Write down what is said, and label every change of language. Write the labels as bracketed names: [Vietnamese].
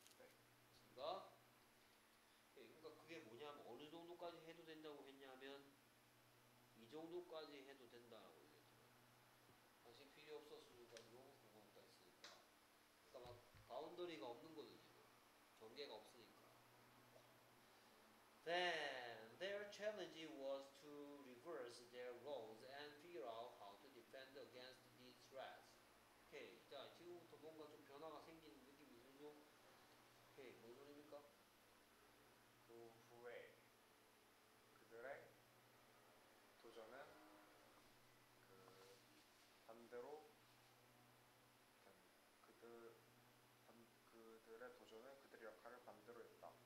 [Korean] 그러니까 그러니까 그게 뭐냐면 어느 정도까지 해도 된다고 했냐면 이 정도까지 해도 된다라고 얘기했죠. 당신 필요 없어 수준까지도 공감할까 했으니까. 그러니까 막 바운더리가 없는 거거든요. 경계가 없으니까. [English] Then their challenge was to reverse their roles and figure out how to defend against these threats. [Korean] 오케이. 자 지금부터 뭔가 좀 변화가 생기는 느낌이 들죠. 오케이. 뭔 소리입니까? 그 후에 그들의 도전은 그 반대로 그들의 도전은 그들의 역할을 반대로 했다.